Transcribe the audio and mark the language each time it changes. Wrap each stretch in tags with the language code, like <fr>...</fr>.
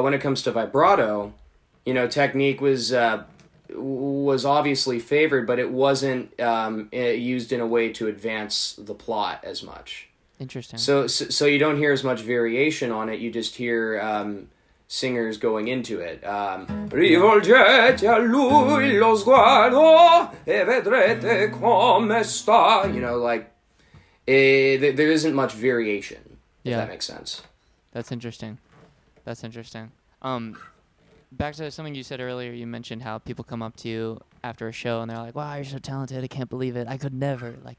<en>When it comes to vibrato, you know, technique was obviously favored, but it wasn't used in a way to advance the plot as much. Interesting. So you don't hear as much variation on it. You just hear singers going into it.</en> <it>Rivolgete a lui lo sguardo e vedrete come sta.</it> <en>You know, like, there isn't much variation, if that makes sense. That's interesting. Back to something you said earlier, you mentioned how people come up to you after a show and they're like, wow, you're so talented, I can't believe it. I could never.</en>